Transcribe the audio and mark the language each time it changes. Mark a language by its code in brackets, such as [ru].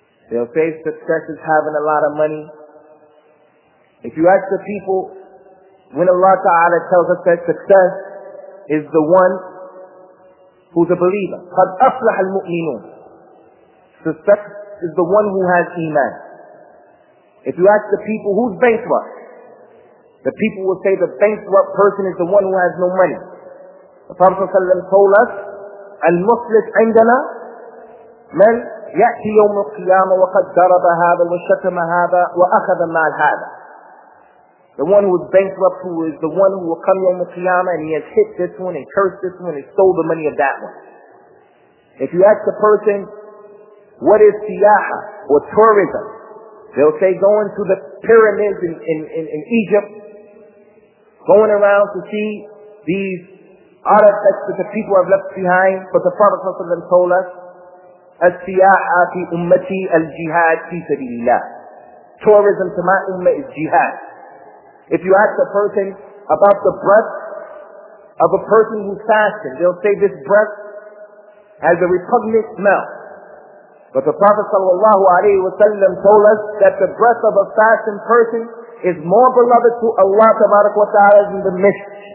[en] They'll say success is having a lot of money. If you ask the people, when Allah Ta'ala tells us that success is the one who's a believer, [ar] قَدْ أَفْلَحَ الْمُؤْمِنُونَ, [en] success is the one who has Iman. If you ask the people, who's bankrupt? The people will say the bankrupt person is the one who has no money. [ar] The Prophet ﷺ told us, المصلح عندنا من يأتي يوم القيامة وقد ضرب هذا وشتم هذا وأخذ مال هذا. [en] The one who is bankrupt, who is the one who will come يوم القيامة and he has hit this one and cursed this one and stole the money of that one. If you ask the person, what is siyaha or tourism? They'll say going to the pyramids in Egypt, going around to see these artifacts that the people have left behind. [ar] But the Prophet ﷺ told us, السياحة في أمتي الجهاد في سبيل الله. [en] Tourism to my ummah is jihad. If you ask a person about the breath of a person who fasted, they'll say this breath has a repugnant smell. But the Prophet ﷺ told us that the breath of a fasting person is more beloved to Allah tabarak wa ta'ala than the mist.